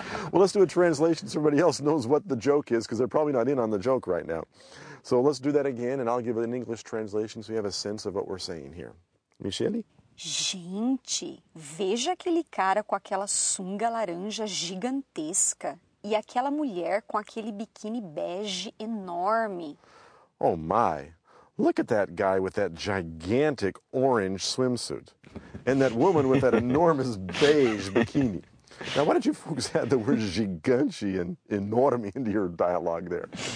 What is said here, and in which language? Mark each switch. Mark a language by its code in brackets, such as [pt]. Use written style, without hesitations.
[en] Well, let's do a translation so everybody else knows what the joke is, because they're probably not in on the joke right now. So let's do that again, and I'll give it an English translation so you have a sense of what we're saying here. Michele? [pt] Gente, veja aquele cara com aquela sunga laranja gigantesca e aquela mulher com aquele biquíni bege enorme. [en] Oh my, look at that guy with that gigantic orange swimsuit and that woman with that enormous beige bikini. Now, why don't you folks add the word gigante and enorme into your dialogue there?